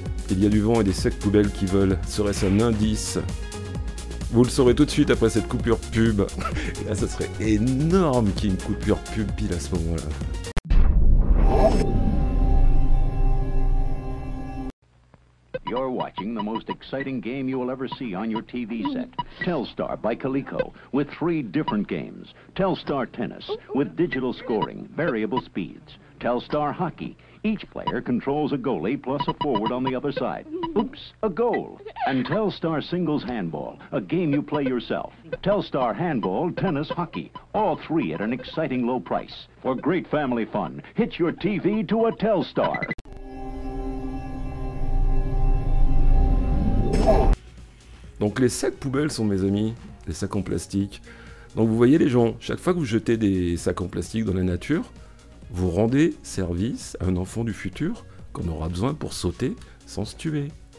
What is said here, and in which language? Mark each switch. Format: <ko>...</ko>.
<fr>Il y a du vent et des sacs poubelles qui volent. Serait-ce un indice? Vous le saurez tout de suite après cette coupure pub. Et là, ça serait énorme qu'il y ait une coupure pub pile à ce moment-là.</fr> <en>You're watching the most exciting game you will ever see on your TV set. Telstar by Coleco, with three different games. Telstar Tennis, with digital scoring, variable speeds. Telstar Hockey. Each player controls a goalie plus a forward on the other side. Oops, a goal. And Telstar Singles Handball, a game you play yourself. Telstar Handball, Tennis, Hockey. All three at an exciting low price. For great family fun, hitch your TV to a Telstar.</en> <fr>Donc les sacs poubelles sont mes amis, les sacs en plastique. Donc vous voyez les gens, chaque fois que vous jetez des sacs en plastique dans la nature, vous rendez service à un enfant du futur qu'on aura besoin pour sauter sans se tuer.</fr>